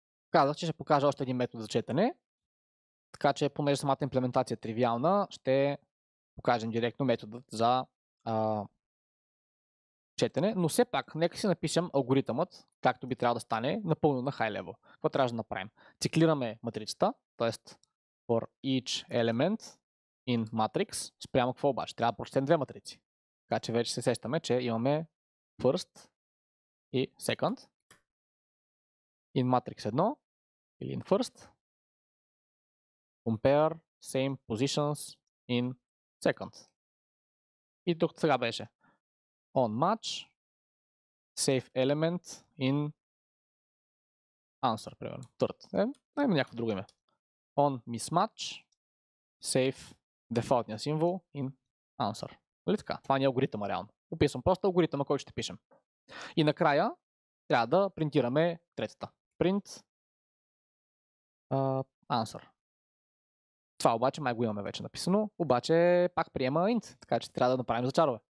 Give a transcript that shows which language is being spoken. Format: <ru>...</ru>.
<bg>Казах, че ще покажа още един метод за четене. Така че, понеже самата имплементация е тривиална, ще покажем директно методът за четене. Но все пак, нека си напишем алгоритъмът, както би трябвало да стане, напълно на high level. Какво трябва да направим? Циклираме матрицата, т.е.</bg> <en>for each element in matrix,</en> <bg>спрямо какво обаче? Трябва да прочетем две матрици. Така че вече се сещаме, че имаме first и second.</bg> <en>In matrix 1</en> <bg>или</bg> <en>in first. Compare same positions in second.</en> <bg>И тук сега беше</bg> <en>on match save element in answer,</en> <bg>примерно.</bg> <en>Third.</en> <bg>Най-ма някакво друго име.</bg> <en>On mismatch, save</en> <bg>дефолтния символ</bg> <en>in answer.</en> <bg>Нали така? Това не е алгоритъма реално. Описвам просто алгоритъма, който ще пишем. И накрая трябва да принтираме третата.</bg> <en>Print answer.</en> <bg>Това обаче май го имаме вече написано, обаче пак приема int, така че трябва да направим зачарове.</bg>